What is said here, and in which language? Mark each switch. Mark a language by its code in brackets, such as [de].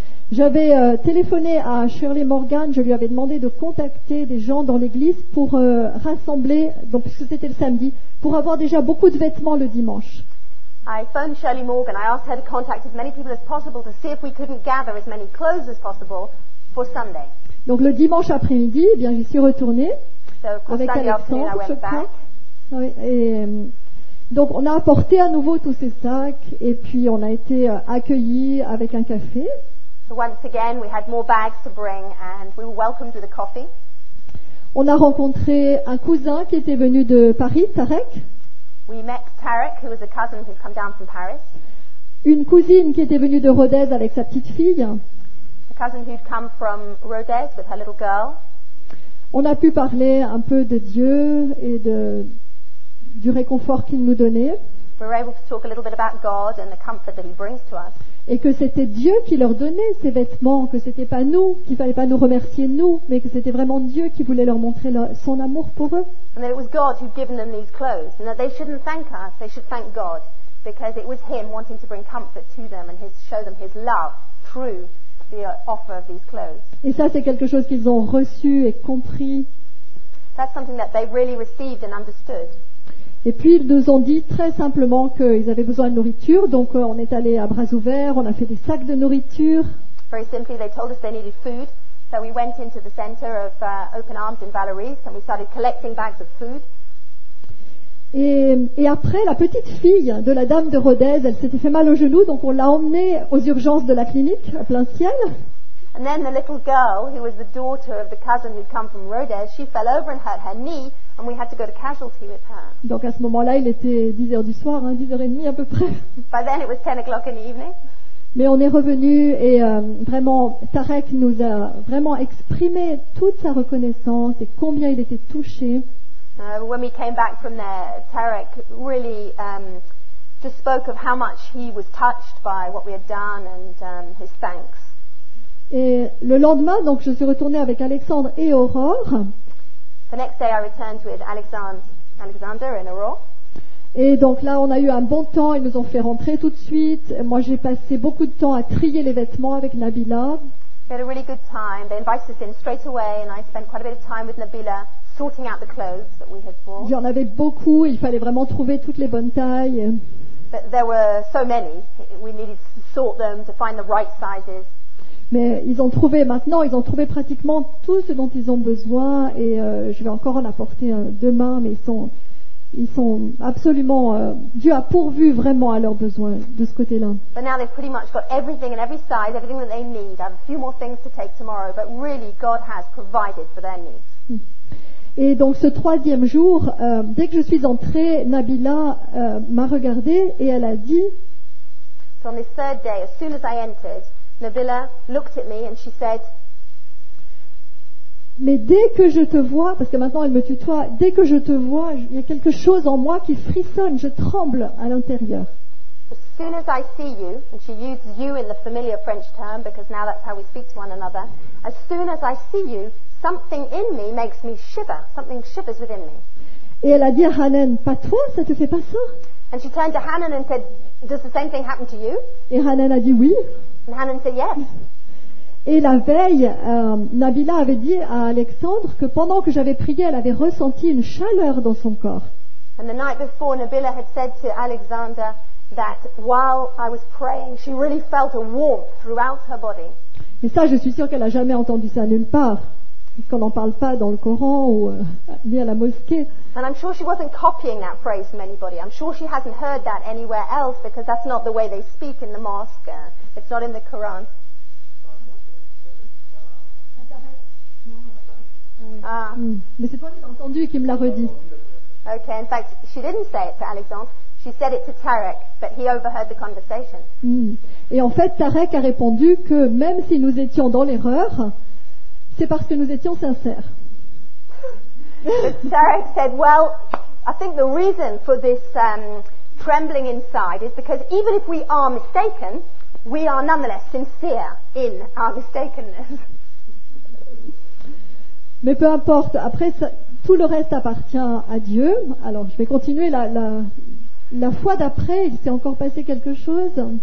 [fr] J'avais téléphoné à Shirley Morgan. Je lui avais demandé de contacter des gens dans l'église pour rassembler, donc puisque c'était le samedi, pour avoir déjà beaucoup de vêtements le dimanche. [en] I phoned Shirley Morgan. I asked her to contact as many people as possible to see if we couldn't gather as many clothes as possible for Sunday. [fr] Donc le dimanche après-midi, eh bien, j'y suis retournée avec Alexandre, je crois. Oui, et donc on a apporté à nouveau tous ces sacs, et puis on a été accueillis avec un café. [en] So once again, we had more bags to bring and we were welcomed with a coffee. [fr] On a rencontré un cousin qui était venu de Paris, Tarek. [en] We met Tarek, who was a cousin who'd come down from Paris. [fr] Une cousine qui était venue de Rodez avec sa petite fille. [en] A cousin who'd come from Rodez with her little girl. [fr] On a pu parler un peu de Dieu et de du réconfort qu'il nous donnait. [en] We were able to talk a little bit about God and the comfort that he brings to us. [fr] Et que c'était Dieu qui leur donnait ces vêtements, que c'était pas nous, qu'il fallait pas nous remercier nous, mais que c'était vraiment Dieu qui voulait leur montrer leur, son amour pour eux. [en] And that it was God who'd given them these clothes, and that they shouldn't thank us, they should thank God, because it was him wanting to bring comfort to them and his, show them his love through the offer of these clothes. [fr] Et ça c'est quelque chose qu'ils ont reçu et compris. [en] That's something that they really received and understood. [fr] Et puis ils nous ont dit très simplement qu'ils avaient besoin de nourriture, donc on est allé à bras ouverts, on a fait des sacs de nourriture. [en] Very simply, they told us they needed food, so we went into the center of Open Arms in Valerice and we started collecting bags of food. [fr] Et après, la petite fille de la dame de Rodez, elle s'était fait mal au genou, donc on l'a emmenée aux urgences de la clinique à plein ciel. [en] And then the little girl, who was the daughter of the cousin who'd come from Rodez, she fell over and hurt her knee. And we had to go to casualty with her. [fr] Donc à ce moment-là, il était 10h du soir, hein, 10h30 à peu près. [en] By then it was 10 o'clock in the evening. [fr] Mais on est revenu et vraiment Tarek nous a vraiment exprimé toute sa reconnaissance et combien il était touché. [en] When we came back from there, Tarek really just spoke of how much he was touched by what we had done and his thanks. [fr] Et le lendemain, donc je suis retournée avec Alexandre et Aurore. [en] The next day I returned with Alexander and Aurore. [fr] Et donc là, on a eu un bon temps, ils nous ont fait rentrer tout de suite. Moi, j'ai passé beaucoup de temps à trier les vêtements avec Nabila. [en] We had a really good time. They invited us in straight away and I spent quite a bit of time with Nabila sorting out the clothes that we had brought. [fr] Il y en avait beaucoup, il fallait vraiment trouver toutes les bonnes tailles. [en] But there were so many. We needed to sort them to find the right sizes. [fr] Mais ils ont trouvé maintenant, ils ont trouvé pratiquement tout ce dont ils ont besoin et je vais encore en apporter demain, mais ils sont absolument, Dieu a pourvu vraiment à leurs besoins de ce côté-là. [en] But now they've pretty much got everything in every size, everything that they need. I have a few more things to take tomorrow, but really God has provided for their needs. [fr] Et donc ce troisième jour, dès que je suis entrée, Nabila m'a regardée et elle a dit... [en] So on this third day, as soon as I entered, Nabila looked at me and she said, [fr] mais dès que je te vois, parce que maintenant elle me tutoie, dès que je te vois, il y a quelque chose en moi qui frissonne, je tremble à l'intérieur. [en] As soon as I see you, and she used you in the familiar French term because now that's how we speak to one another, as soon as I see you, something in me makes me shiver, something shivers within me. [fr] Et elle a dit à Hanan, pas toi, ça te fait pas ça? [en] And she turned to Hanan and said, does the same thing happen to you? [fr] Et Hanan a dit oui. [en] And Hanan said yes. [fr] Et la veille, Nabila avait dit à Alexandre que pendant que j'avais prié, elle avait ressenti une chaleur dans son corps. [en] And the night before, Nabila had said to Alexander that while I was praying, she really felt a warmth throughout her body. [fr] Et ça, je suis sûre qu'elle a jamais entendu ça nulle part, qu'on n'en parle pas dans le Coran ou ni à la mosquée. [en] And I'm sure she wasn't copying that phrase from anybody. I'm sure she hasn't heard that anywhere else because that's not the way they speak in the mosque. It's not in the Quran. Ah. [fr] Mais c'est toi qui l'as entendu et qui me l'a redit. [en] Okay, in fact, she didn't say it to Alexandre. She said it to Tarek, but he overheard the conversation. [fr] Et en fait, Tarek a répondu que même si nous étions dans l'erreur, c'est parce que nous étions sincères. [en] Tarek said, well, I think the reason for this trembling inside is because even if we are mistaken, we are nonetheless sincere in our mistakenness. [fr] Mais peu importe, après ça, tout le reste appartient à Dieu. Alors je vais continuer la fois d'après, il s'est encore passé quelque chose.